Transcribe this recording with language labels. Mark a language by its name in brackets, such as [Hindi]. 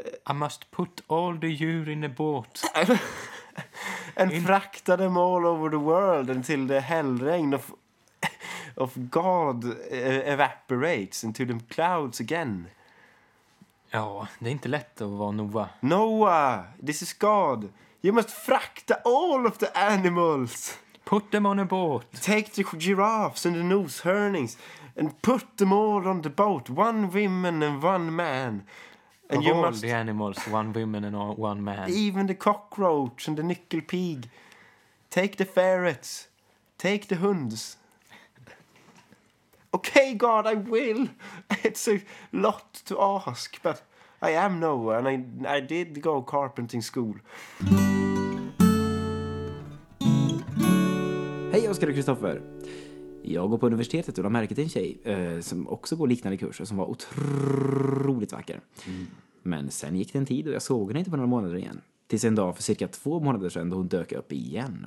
[English] I must put all the [Swedish] djur [English] in a boat. And [Swedish] frakta [English] them all over the world until the [Swedish] hellregn [English] of God evaporates into the clouds again. [Swedish] Ja, det är inte lätt att vara Noah. [English] Noah, this is God. You must [Swedish] frakta [English] all of the animals. Put them on a boat. Take the giraffes and the [Swedish] nosehörnings [English] and put them all on the boat. One woman and one man. And of you all must... the animals, one woman and one man. Even the cockroach and the nickel pig. Take the ferrets. Take the [Swedish] hunds. [English] Okay, God, I will. It's a lot to ask, but I am Noah, and I did go carpentering school. [Swedish] Hej, Oskar och Kristoffer. Jag går på universitetet och har märkt en tjej som också går liknande kurser, som var otroligt vacker. Mm. Men sen gick det en tid och jag såg henne inte på några månader igen. Tills en dag för cirka 2 månader sedan då hon dök upp igen.